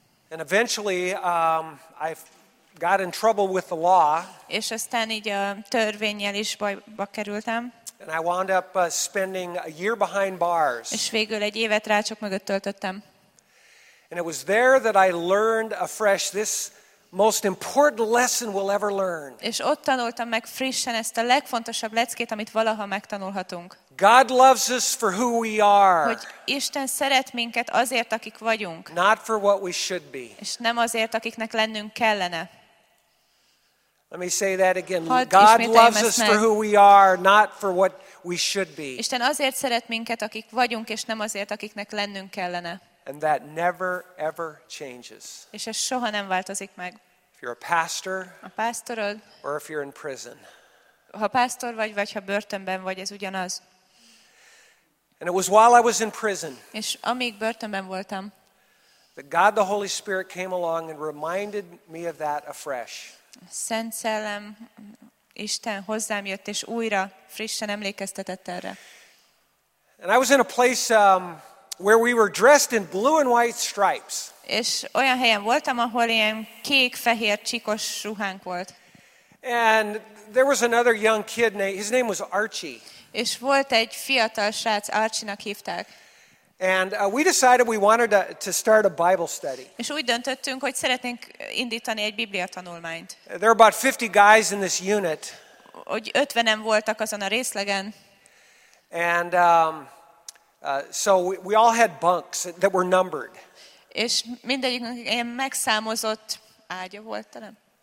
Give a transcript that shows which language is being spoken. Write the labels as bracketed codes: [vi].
[en] And eventually I got in trouble with the law. [hu] És aztán így a törvénnyel is bajba kerültem. [en] And I wound up spending a year behind bars. [hu] És végül egy évet rácsok mögött töltöttem. [en] And it was there that I learned afresh this most important lesson we'll ever learn. [hu] És ott tanultam meg frissen ezt a legfontosabb leckét, amit valaha megtanulhatunk. [en] God loves us for who we are. [hu] Hogy Isten szeret minket azért, akik vagyunk. [en] Not for what we should be. [hu] És nem azért, akiknek lennünk kellene. [en] Let me say that again. God loves us for who we are, not for what we should be. [hu] Isten azért szeret minket, akik vagyunk, és nem azért, akiknek lennünk kellene. [en] And that never ever changes. [hu] És ez soha nem változik meg. [en] If you're a pastor, [hu] a pásztorod, [en] or if you're in prison. [hu] Ha pásztor vagy, vagy ha börtönben vagy, ez ugyanaz. [en] And it was while I was in prison. [hu] És amíg börtönben voltam. [en] That God the Holy Spirit came along and reminded me of that afresh. [hu] Szent Szellem, Isten hozzám jött és újra frissen emlékeztetett erre. [en] And I was in a place where we were dressed in blue and white stripes. [hu] És olyan helyen voltam, ahol ilyen kék-fehér csíkos ruhánk volt. [en] And there was another young kid named, his name was Archie. [hu] És volt egy fiatal srác, Archie-nak hívták. [en] And we decided we wanted to start a Bible study. [hu] És úgy döntöttünk, hogy szeretnénk indítani egy Biblia tanulmányt. [en] There were about 50 guys in this unit. [hu] Úgy 50-en voltak azon a részlegen. [en] And so we all had bunks that were numbered. [hu] És mindegyikünk ilyen megszámozott ágya volt, talán.